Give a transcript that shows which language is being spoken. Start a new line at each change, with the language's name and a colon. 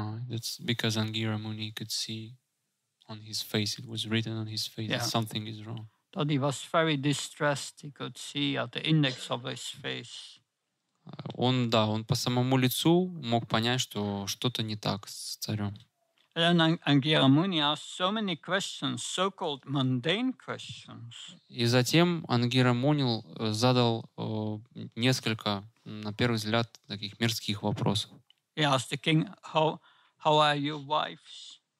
English: That's because Ангира Муни could see on his face, it was written on his face, yeah, something is wrong. That he was very distressed, he could see at the index of his face.
Russian: Он, да, он по самому лицу мог понять, что что-то не так с царем.
English: And Angira Muni asked so many questions, so-called mundane questions.
Russian: И затем Ангира Муни задал несколько, на первый взгляд, таких мирских вопросов.
English: He asked the king, how are your wives?